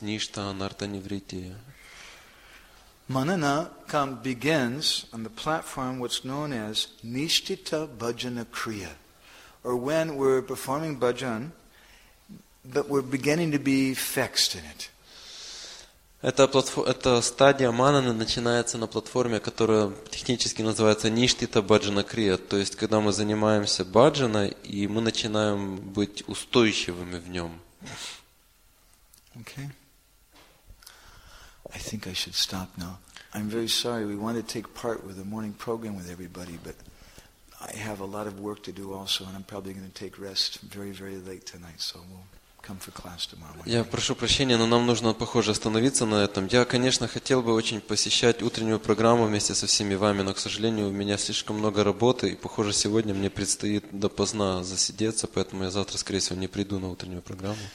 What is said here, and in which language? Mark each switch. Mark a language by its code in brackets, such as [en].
[sa] Nishta anartha nivritti. [en] Manana begins on the platform what's known as Nishtita Bhajana Kriya. Or when we're performing bhajan, But we're beginning to be fixed in it. [ru] Эта стадия мананы начинается на платформе, которая технически называется Ништита Баджана Крия. То есть, когда мы занимаемся баджаной, и мы начинаем быть устойчивыми в нем. [en] Okay. I think I should stop now. I'm very sorry. We want to take part with the morning program with everybody, but I have a lot of work to do also, and I'm probably going to take rest very, very late tonight, so we'll... [ru] Я прошу прощения, но нам нужно, похоже, остановиться на этом. Я, конечно, хотел бы очень посещать утреннюю программу вместе со всеми вами, но, к сожалению, у меня слишком много работы, и, похоже, сегодня мне предстоит допоздна засидеться, поэтому я завтра, скорее всего, не приду на утреннюю программу.